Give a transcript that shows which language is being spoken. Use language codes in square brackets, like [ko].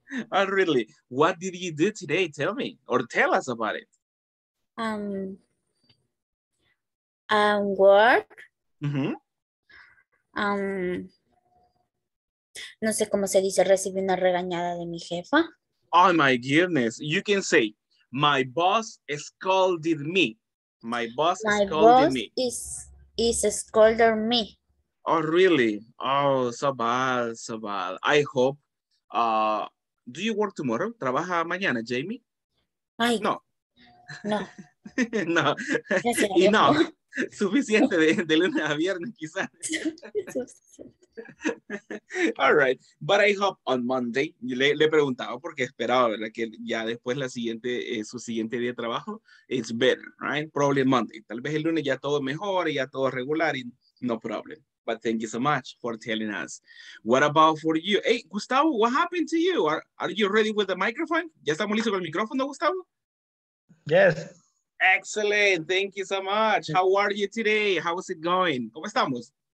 [en] Oh, really? What did you do today? Tell me, or tell us about it. Work. Mm-hmm. [es] No sé cómo se dice, recibí una regañada de mi jefa. [en] Oh my goodness, you can say, my boss scolded me. My boss my scolded me. Is scolded me. Oh really? Oh, so bad, so bad. I hope, do you work tomorrow? [es] ¿Trabaja mañana, Jamie? Ay, no. No. No. Y no. Suficiente de lunes a viernes, quizás. [en] All right, but I hope on Monday, [es] le he preguntado porque esperaba, ¿verdad? Que ya después la siguiente, su siguiente día de trabajo, [en] it's better, right? Probably Monday. [es] Tal vez el lunes ya todo mejor y ya todo regular y [en] no problem. But thank you so much for telling us. What about for you? Hey, Gustavo, what happened to you? Are you ready with the microphone? [es] ¿Ya estamos listos con el micrófono, Gustavo? [en] Yes. Excellent. Thank you so much. How are you today? How is it going? [es] ¿Cómo estamos?